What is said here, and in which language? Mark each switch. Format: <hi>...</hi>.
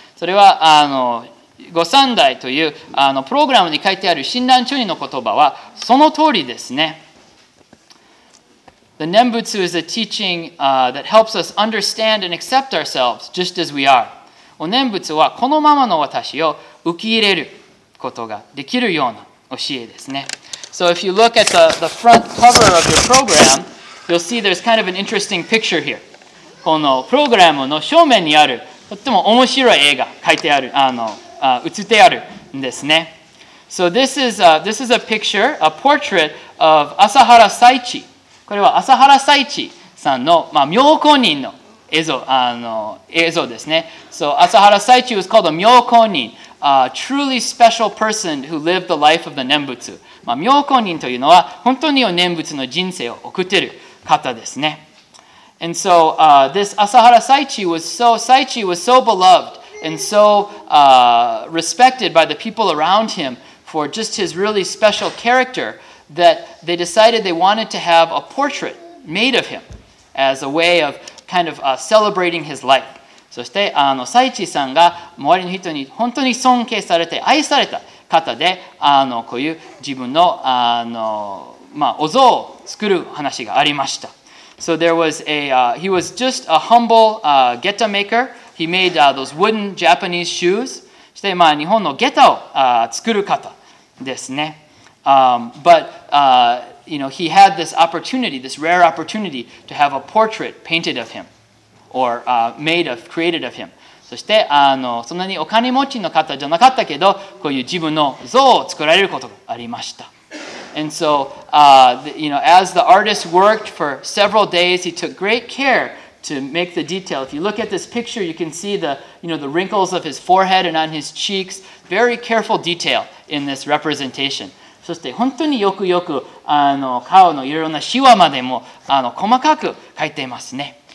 <ja>それはあの御三代というあのプログラムに書いてある親鸞著人の言葉はその通りですね。</ja> <en>The Nembutsu is a teaching that helps us understand and accept ourselves just as we are.</en> <ja>お念仏はこのままの私を受け入れることができるような教えですね。</ja> <en>So if you look at the front cover of your program, you'll see there's kind of an interesting picture here.</en> <ja>このプログラムの正面にあるとっても面白い絵が描いてある、写ってあるんですね。</ja> <en>So this is a picture, a portrait of Asahara Saichi.</en> <ja>これは朝原彩智さんの、まあ、妙高人の映像ですね。</ja> <en>So, 朝原彩智 was called a 妙高人, a truly special person who lived the life of the 念仏.</en> <ja>まあ、妙高人というのは本当に念仏の人生を送っている方ですね。</ja> <en>And so, this Asahara Saichi was so beloved and so respected by the people around him for just his really special character that they decided they wanted to have a portrait made of him as a way of kind of celebrating his life.</en> <ja>そして、サイチさんが周りの人に本当に尊敬されて愛された方で、こういう自分 の, まあ、お像を作る話がありました。</ja> <en>So there was a, he was just a humble geta maker. He made those wooden Japanese shoes.</en> <ja>そして、まあ、日本のゲタを作る方ですね。</ja> <en>But, you know, he had this opportunity, this rare opportunity to have a portrait painted of him. Or made of, created of him.</en> <ja>そして、そんなにお金持ちの方じゃなかったけど、こういう自分の像を作られることがありました。</ja> <en>And so, you know, as the artist worked for several days, he took great care to make the detail. If you look at this picture, you can see the, you know, the wrinkles of his forehead and on his cheeks. Very careful detail in this representation.</en> <ja>そして、本当によくよく、顔のいろいろなシワまでも、細かく描いていますね。</ja>